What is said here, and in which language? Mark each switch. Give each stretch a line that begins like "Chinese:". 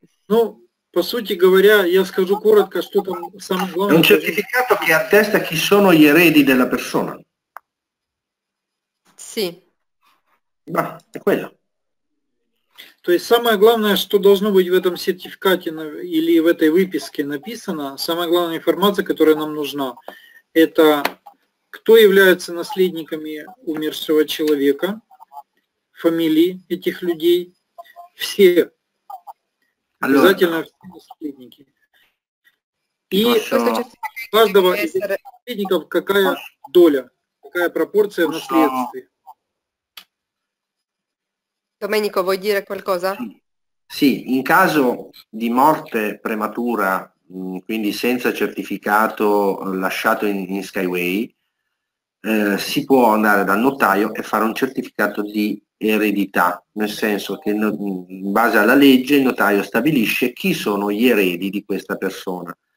Russian: Ну, по сути говоря, я скажу коротко, что там самое главное.
Italian: Un certificato che attesta chi sono gli eredi della persona. Sì. Ma è quello.
Russian: То есть самое главное, что должно быть в этом сертификате или в этой выписке написано, самая главная информация, которая нам нужна, это кто является наследниками умершего человека, фамилии этих людей, все, обязательно все наследники. И у каждого из наследников какая доля, какая пропорция в наследстве.
Italian: Domenico, vuoi dire qualcosa? Sì, in caso di morte prematura, quindi senza certificato lasciato in Skyway, si può andare dal notaio e fare un certificato di eredità, nel senso che in base alla legge il notaio stabilisce chi sono gli eredi di questa persona.